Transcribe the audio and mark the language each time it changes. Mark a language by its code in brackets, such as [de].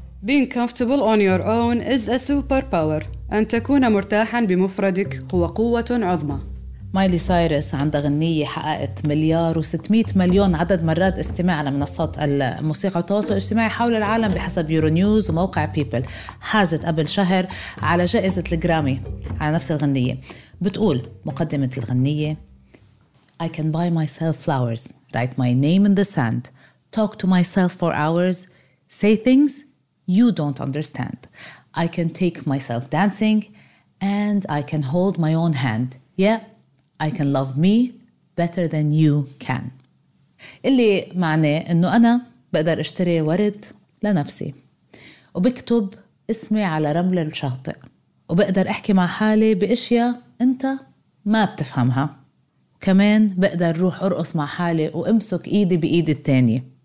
[en] Being comfortable on your own is a superpower. [ar] أن تكون مرتاحاً بمفردك هو قوة عظمى. مايلي سايرس عندها غنية حققت 1,600,000,000 عدد مرات استماع على منصات الموسيقى والتواصل الاجتماعي حول العالم بحسب يورو نيوز وموقع بيبل. حازت قبل شهر على جائزة الجرامي على نفس الغنية. بتقول مقدمة الغنية: [en] I can buy myself flowers, write my name in the sand, talk to myself for hours, say things you don't understand. I can take myself dancing and I can hold my own hand. Yeah, I can love me better than you can. [ar] اللي معناه انه انا بقدر اشتري ورد لنفسي وبكتب اسمي على رمل الشاطئ وبقدر احكي مع حالي باشياء انت ما بتفهمها. كمان بقدر روح ارقص مع حالي وامسك ايدي بايد التانية.